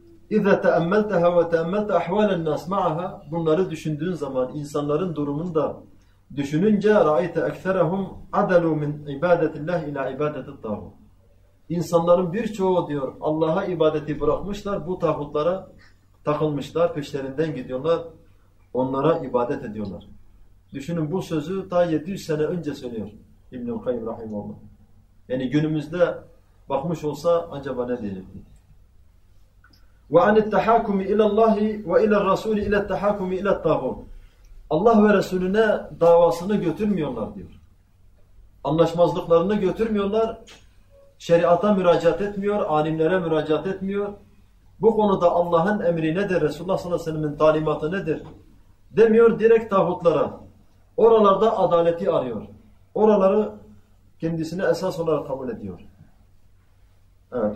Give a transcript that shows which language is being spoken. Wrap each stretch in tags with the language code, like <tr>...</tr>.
<ar>اِذَا تَأَمَّلْتَهَا وَتَأَمَّلْتَ اَحْوَالَ النَّاسِ مَعَهَا,</ar> <tr>Bunları düşündüğün zaman, insanların durumunu da düşününce,</tr> <ar>رَأَيْتَ اَكْثَرَهُمْ عَدَلُوا مِنْ عِبَادَةِ اللّٰهِ اِلَى عِبَادَةِ الطَّاغُوتِ,</ar> <tr>İnsanların birçoğu diyor, Allah'a ibadeti bırakmışlar, bu tağutlara takılmışlar, peşlerinden gidiyorlar, onlara ibadet ediyorlar. Düşünün, bu sözü ta 700 sene önce söylüyor İbn-i Kayyum Rahimahullah. Yani günümüzde bakmış olsa acaba ne diyecekti?</tr> <ar>وَعَنِ التَّحَاكُمِ اِلَى اللّٰهِ وَاِلَى الرَّسُولِ اِلَى التَّحَاكُمِ اِلَى الطَّاغُوتِ,</ar> <tr>Allah ve Resulüne davasını götürmüyorlar diyor. Anlaşmazlıklarını götürmüyorlar. Şeriata müracaat etmiyor, alimlere müracaat etmiyor. Bu konuda Allah'ın emri nedir, Resulullah sallallahu aleyhi ve sellem'in talimatı nedir demiyor, direkt tağutlara. Oralarda adaleti arıyor. Oraları kendisine esas olarak kabul ediyor. Evet.</tr>